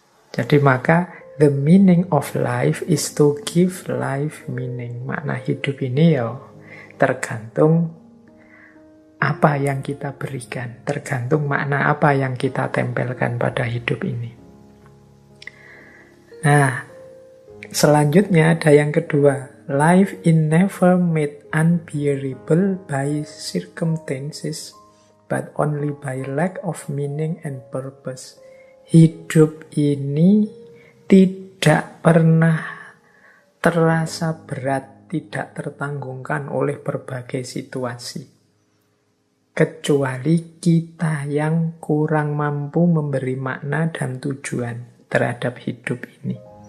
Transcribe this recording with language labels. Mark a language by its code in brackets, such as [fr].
[id] Jadi maka [en] the meaning of life is to give life meaning. [id] Makna hidup ini ya tergantung apa yang kita berikan. Tergantung makna apa yang kita tempelkan pada hidup ini. Nah, selanjutnya ada yang kedua. [en] Life is never made unbearable by circumstances, but only by lack of meaning and purpose. [id] Hidup ini tidak pernah terasa berat, tidak tertanggungkan oleh berbagai situasi. Kecuali kita yang kurang mampu memberi makna dan tujuan terhadap hidup ini.